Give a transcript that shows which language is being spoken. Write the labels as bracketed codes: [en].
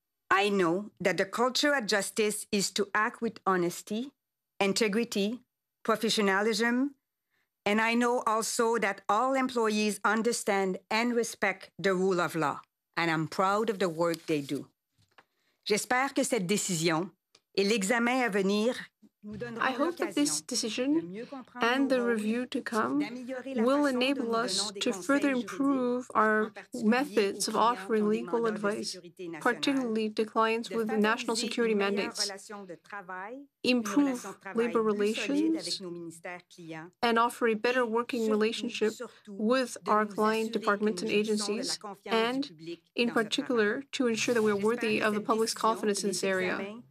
[en] I know that the culture of justice is to act with honesty, integrity, professionalism, and I know also that all employees understand and respect the rule of law, and I'm proud of the work they do. [fr] J'espère que cette décision et l'examen à venir. [en] I hope that this decision and the review to come will enable us to further improve our methods of offering legal advice, particularly to clients with national security mandates, improve labor relations, and offer a better working relationship with our client departments and agencies, and in particular, to ensure that we are worthy of the public's confidence in this area.